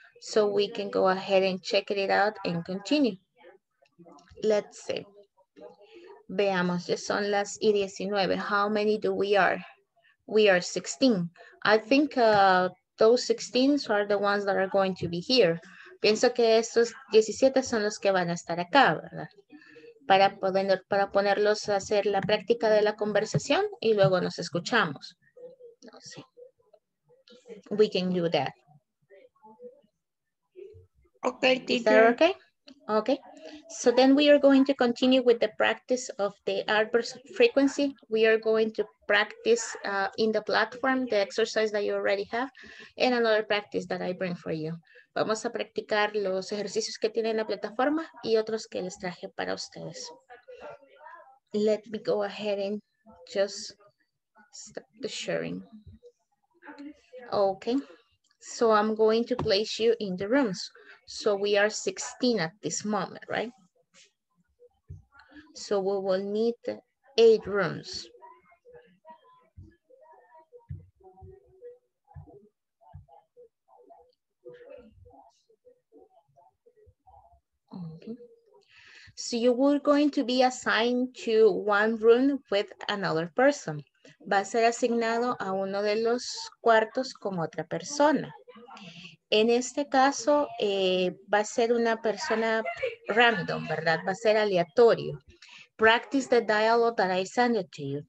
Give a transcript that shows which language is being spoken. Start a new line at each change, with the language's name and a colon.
English: So we can go ahead and check it out and continue. Let's see.
Spanish: Veamos. Ya son las 19.
English: How many do we are? We are 16. I think those 16 are the ones that are going to be here.
Spanish: Pienso que estos 17 son los que van a estar acá, ¿verdad? Para ponerlos a hacer la práctica de la conversación y luego nos escuchamos. No sé.
English: We can do that. Okay, teacher. Is that okay? Okay. So then we are going to continue with the practice of the adverb frequency. We are going to practice in the platform, the exercise that you already have, and another practice that I bring for you.
Spanish: Vamos a practicar los ejercicios que tienen la plataforma y otros que les traje para ustedes.
English: Let me go ahead and just stop the sharing. Okay, so I'm going to place you in the rooms. So we are 16 at this moment, right? So we will need 8 rooms. So you were going to be assigned to one room with another person.
Spanish: Va a ser asignado a uno de los cuartos con otra persona. En este caso, va a ser una persona random, ¿verdad? Va a ser aleatorio.
English: Practice the dialogue that I send it to you.